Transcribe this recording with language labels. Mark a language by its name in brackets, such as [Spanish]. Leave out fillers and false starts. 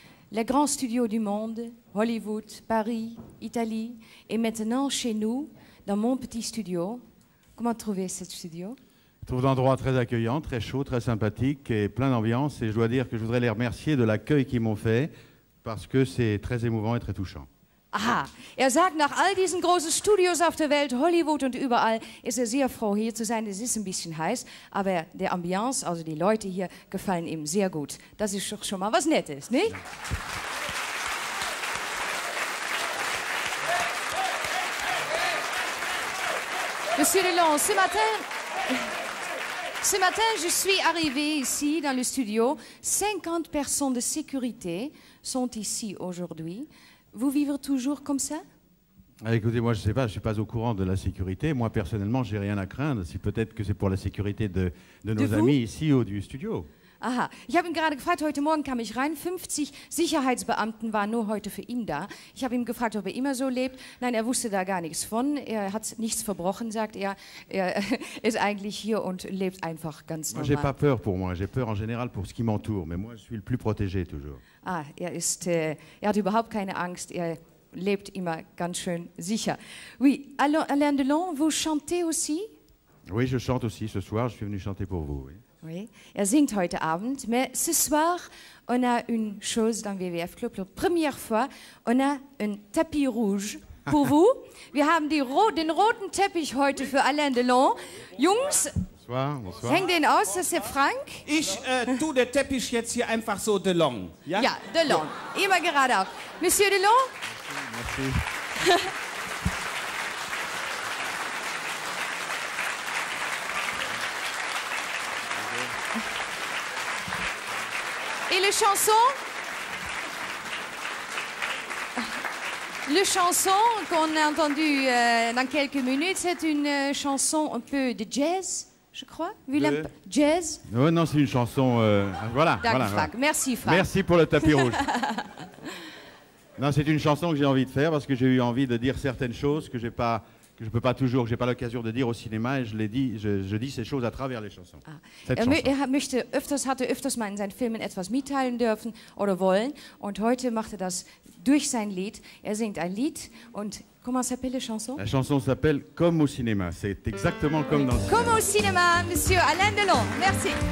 [French] Les grands studios du monde, Hollywood, Paris, Italie, et maintenant chez nous, dans mon petit studio. Comment trouver ce studio? Je trouve l'endroit très accueillant, très chaud, très sympathique et plein d'ambiance. Et je dois dire que je voudrais les remercier de l'accueil qu'ils m'ont fait parce que c'est très émouvant et très touchant. [German] Aha, sagt, nach all diesen großen Studios auf der Welt, Hollywood und überall, ist sehr froh hier zu sein. Es ist ein bisschen heiß, aber der Ambiance, also die Leute hier, gefallen ihm sehr gut. Das ist doch schon mal was Nettes, nicht? Ja. [French] Monsieur Delon, ce matin, je suis arrivée ici dans le studio. 50 personnes de sécurité sont ici aujourd'hui. Vous vivez toujours comme ça? Ah, écoutez, moi, je ne sais pas, je ne suis pas au courant de la sécurité. Moi, personnellement, je n'ai rien à craindre. Si peut-être que c'est pour la sécurité de nos de amis ici ou du studio. [German] Aha, ich habe ihn gerade gefragt, heute Morgen kam ich rein, 50 Sicherheitsbeamten waren nur heute für ihn da. Ich habe ihn gefragt, ob er immer so lebt. Nein, er wusste da gar nichts von. Er hat nichts verbrochen, sagt er. Er ist eigentlich hier und lebt einfach ganz normal. [French] Moi, j'ai pas peur pour moi, j'ai peur en général pour ce qui m'entoure, mais moi, je suis le plus protégé toujours. [German] Ah, er hat überhaupt keine Angst, er lebt immer ganz schön sicher. [French] Oui, Alain Delon, vous chantez aussi? Oui, je chante aussi ce soir, je suis venu chanter pour vous, oui. Oui, [German] er singt heute Abend, [French] mais ce soir, on a une chose dans WWF Club. La première fois, on a un tapis rouge pour vous. [German] Wir haben den roten Teppich heute für Alain Delon. Jungs, [French] bonsoir. Bonsoir. [German] Häng den aus, das ist Frank. Ich tue den Teppich jetzt hier einfach so Delon. Ja, ja Delon. Ja. Immer gerade auf. Monsieur Delon. [French] Merci. Et les chansons? Les chansons qu'on a entendues dans quelques minutes, c'est une chanson un peu de jazz, je crois. Jazz? Oui, non, c'est une chanson. Voilà. Voilà, Frank. Voilà. Merci, Frank. Merci pour le tapis rouge. Non, c'est une chanson que j'ai envie de faire parce que j'ai eu envie de dire certaines choses que j'ai pas. Que je ne peux pas toujours, je n'ai pas l'occasion de dire au cinéma, et je dis ces choses à travers les chansons. Ah. Cette chanson. [German] Hatte öfters mal in seinen Filmen etwas mitteilen dürfen oder wollen, und heute macht das durch sein Lied. Singt ein Lied, und [French] comment s'appelle la chanson? La chanson s'appelle Comme au cinéma, c'est exactement comme dans le cinéma. Comme au cinéma, monsieur Alain Delon, merci.